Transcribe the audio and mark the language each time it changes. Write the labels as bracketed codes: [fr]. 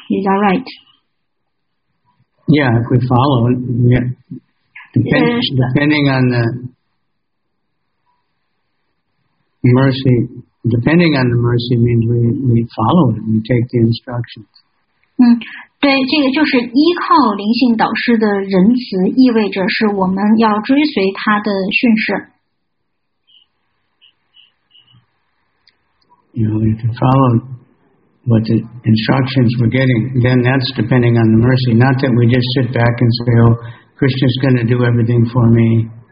[en] Is that right? Yeah, if we follow, depending on the mercy, means we follow it, we take the instructions. [zh] 对，这个就是依靠灵性导师的仁慈，意味着是我们要追随他的训示。 [en] You know, if you follow what the instructions we're getting, then that's depending on the mercy. Not that we just sit back and say, "Oh, Krishna's going to do everything for me."